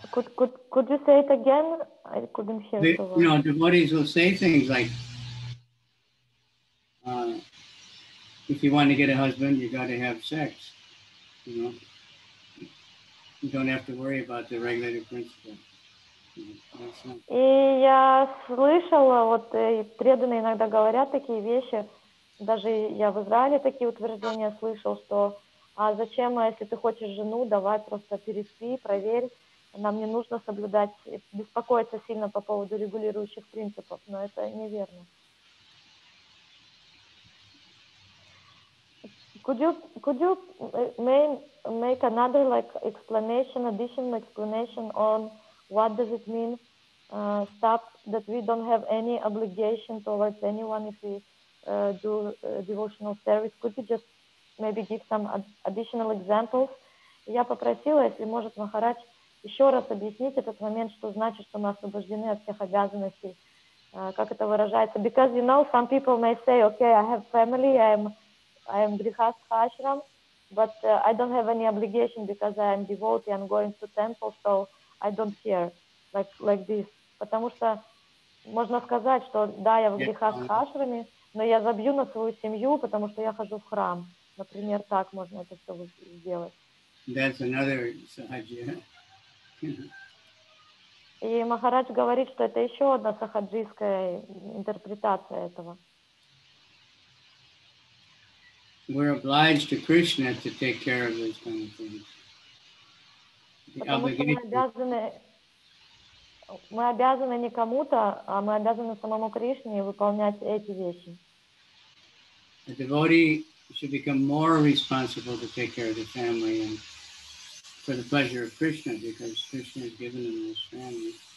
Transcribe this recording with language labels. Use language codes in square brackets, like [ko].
[en] Could you say it again? I couldn't hear. Devotees will say things like, if you want to get a husband, you got to have sex. You know, you don't have to worry about the regulative principle. [ru] И я слышала, вот преданные иногда говорят такие вещи, даже я в Израиле такие утверждения слышал, что а зачем, если ты хочешь жену, давай просто переспи, проверь, нам не нужно соблюдать, беспокоиться сильно по поводу регулирующих принципов, но это неверно. [en] Could you make another like explanation, additional explanation on what does it mean, stop, that we don't have any obligation towards anyone if we do devotional service? Could you just maybe give some additional examples? [ru] Я попросила, если может Махарадж еще раз объяснить этот момент, что значит, что мы освобождены от всех обязанностей. Как это выражается? [en] Because, you know, some people may say, okay, I have family, I am Grihastha Ashram, but I don't have any obligation because I am devotee, I'm going to temple, so I don't care, like this. [ru] Потому что можно сказать, что да, я в грехах ашраме, но я забью на свою семью, потому что я хожу в храм. Например, так можно это все сделать. [en] That's another sahajya. [ru] И Махарадж говорит, что это еще одна сахаджийская интерпретация этого. [en] We're obliged to Krishna to take care of those kind of things. [ru] Мы обязаны не кому-то, а мы обязаны самому Кришне выполнять эти вещи. [en] A devotee should become more responsible to take care of the family and for the pleasure of Krishna, because Krishna has given him this family.